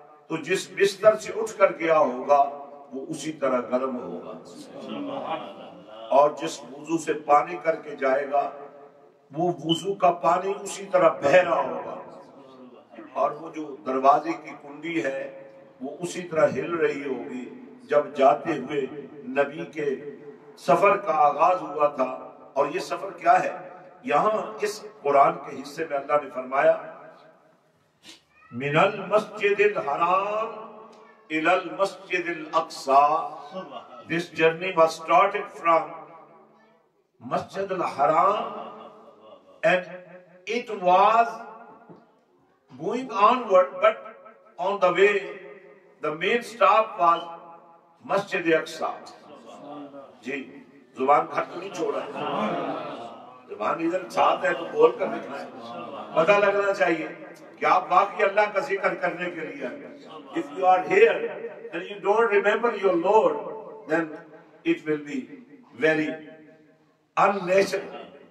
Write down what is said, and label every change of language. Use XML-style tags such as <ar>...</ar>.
<ur>تو جس بستر سے اٹھ کر گیا ہوگا وہ اسی طرح گرم ہوگا، اور جس وضو سے پانی کر کے جائے گا وہ وضو کا پانی اسی طرح بہ رہا ہوگا، اور وہ جو دروازے کی کنڈی ہے وہ اسی طرح ہل رہی ہوگی جب جاتے ہوئے نبی کے سفر کا آغاز ہوا تھا. اور یہ سفر کیا ہے؟ یہاں اس قرآن کے حصے میں اللہ نے فرمایا</ur> <ar>من المسجد الحرام الى المسجد الاقصى.</ar> <en>This journey was started from Masjid al-Haram and it was going onward, but on the way the main stop was Masjid al-Aqsa.</en> <ur>جی زبان گھر تو نہیں چھوڑ رہا، زبان ادھر ساتھ ہے تو بول کر لکھنا ہے، پتا لگنا چاہیے کہ آپ باقی اللہ کا ذکر کرنے کے لیے.</ur> <en>If you are here and you don't remember your Lord, then it will be very unnatural.</en>